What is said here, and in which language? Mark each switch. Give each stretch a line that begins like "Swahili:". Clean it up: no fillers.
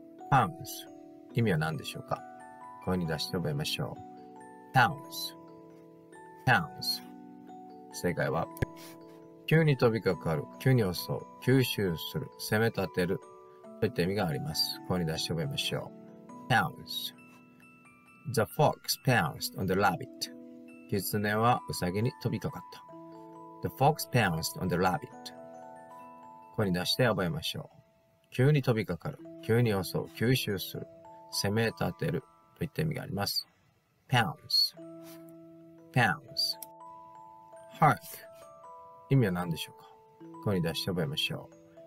Japanese: パウンズ、意味は何でしょうか。声に出して覚えましょう。パウンズ、パウンズ、正解は急に飛びかかる、急に襲う、吸収する、攻め立てるといった意味があります。声に出して覚えましょう。
English: パウンズ。 The fox pounced on the rabbit.
Japanese: キツネはウサギに飛びかかった。
English: The fox pounced on the rabbit.
Japanese: 声に出して覚えましょう。急に飛びかかる、急に襲う、吸収する、攻め立てるといった意味があります。
English: Pounce. Pounce. Hark.
Japanese: 意味は何でしょうか。声に出して覚えましょう。